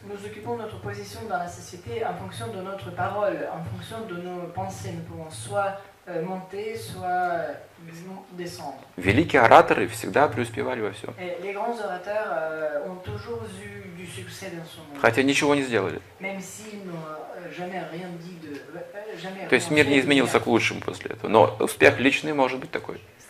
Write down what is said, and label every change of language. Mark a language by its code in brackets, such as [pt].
[ru] Мы [fr] occupons notre position dans la société en fonction de notre parole, en fonction de nos pensées. Nous pouvons soit monter, soit descendre. [ru] Великие ораторы всегда преуспевали во всем. [fr] Les grands orateurs ont toujours eu du succès dans ce monde. [ru] Хотя ничего не сделали. [fr] Même s'ils n'ont jamais rien dit de jamais. [ru] То есть мир не изменился к лучшему после этого, но успех личный может быть такой.